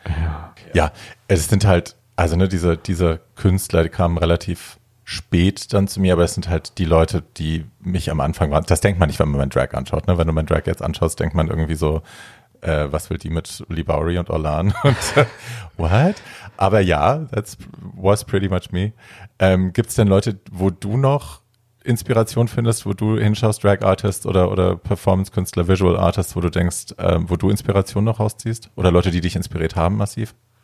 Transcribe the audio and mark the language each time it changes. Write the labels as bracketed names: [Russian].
[German] Ja. Ja, es sind halt... Also ne, diese Künstler, die kamen relativ spät dann zu mir, aber es sind halt die Leute, die mich am Anfang waren. Das denkt man nicht, wenn man meinen Drag anschaut. Ne? Wenn du meinen Drag jetzt anschaust, denkt man irgendwie so, was will die mit Lee Bowery und Orlan? Und, [English] what? [German] Aber ja, [English] that was pretty much me. [German] Gibt es denn Leute, wo du noch Inspiration findest, wo du hinschaust, Drag Artists oder Performance-Künstler, Visual Artists, wo du denkst, wo du Inspiration noch rausziehst? Oder Leute, die dich inspiriert haben massiv?